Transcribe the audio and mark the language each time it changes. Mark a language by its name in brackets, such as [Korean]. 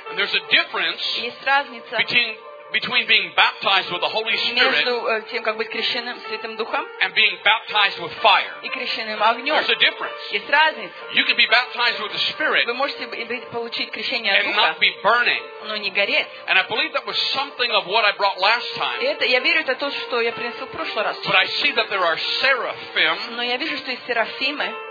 [English] And there's a difference. [Russian] Есть разница. [English] Between being baptized with the Holy Spirit. [Russian] Между тем, как быть крещенным Святым Духом. [English] And being baptized with fire. [Russian] И крещенным огнем. [English] There's a difference. [Russian] Есть разница. [English] You can be baptized with the Spirit. [Russian] Вы можете получить крещение от Духа. [English] And not be burning. [Russian] Но не гореть. [English] And I believe that was something of what I brought last time. [Russian] Это я верю, это то, что я принесла в прошлый раз. [English] But I see that there are seraphim. [Russian] Но я вижу, что есть серафимы.